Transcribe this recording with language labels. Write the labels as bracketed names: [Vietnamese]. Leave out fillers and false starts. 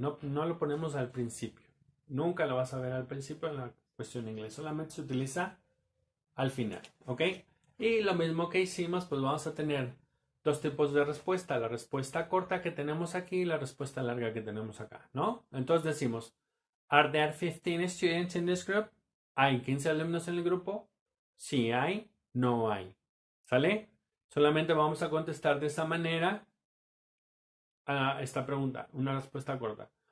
[Spanish] No lo ponemos al principio. Nunca lo vas a ver al principio en la cuestión en inglés. Solamente se utiliza al final, ¿ok? Y lo mismo que hicimos, pues vamos a tener dos tipos de respuesta. La respuesta corta que tenemos aquí y la respuesta larga que tenemos acá, ¿no? Entonces decimos, [English] are there 15 students in this group? [Spanish] ¿Hay 15 alumnos en el grupo? Sí hay, no hay. ¿Sale? Solamente vamos a contestar de esa manera a esta pregunta, una respuesta corta.